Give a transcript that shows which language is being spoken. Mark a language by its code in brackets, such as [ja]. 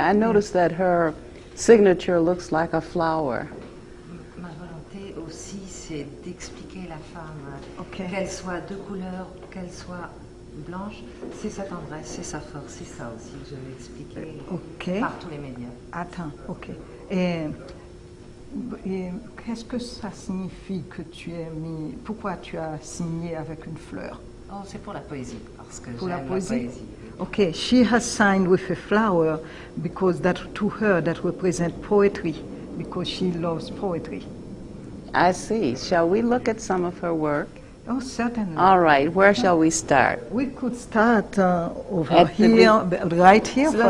[en] I noticed that her signature looks like a flower. [fr] Ma volonté aussi, c'est d'expliquer la femme, qu'elle soit de couleur, qu'elle soit blanche, c'est sa tendresse, c'est sa force, c'est ça aussi que je vais expliquer par tous les médias. Attends, ok. Et qu'est-ce que ça signifie que tu aies mis, pourquoi tu as signé avec une fleur? Oh, c'est pour la poésie, parce que j'aime la poésie. [en] Okay, she has signed with a flower because that, to her, that represents poetry, because she loves poetry. I see. Shall we look at some of her work? Oh, certainly. All right, where shall we start? We could start right here, for example.